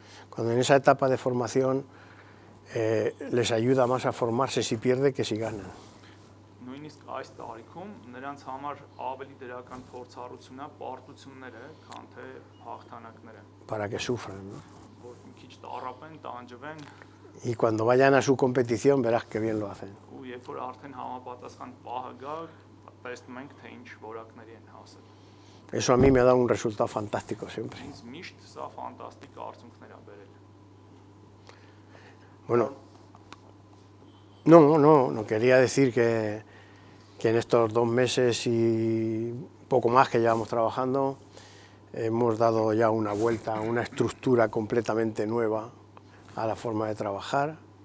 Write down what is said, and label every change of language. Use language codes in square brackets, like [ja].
[es] Cuando en esa etapa de formación les ayuda más a formarse si pierde que si gana. [hy] Նույնիսկ այս տարիքում նրանց համար ավելի դրական փորձառությունն է պարտությունները, քան թե հաղթանակները։ [es] Para que sufran, ¿no? [hy] Որ մի քիչ տարապեն, տանջվեն։ [es] Y cuando vayan a su competición verás que bien lo hacen. [hy] Ու երբ որ արդեն համապատասխան պահը գա, տեսնում ենք թե ինչ որակների են հասել։ [es] Eso a mí me ha dado un resultado fantástico siempre. [hy] Ինձ միշտ սա ֆանտաստիկ արդյունքներ է բերել։ [es] Bueno, No, quería decir que en estos dos meses y poco más que llevamos trabajando, hemos dado ya una vuelta, una estructura completamente nueva a la forma de trabajar.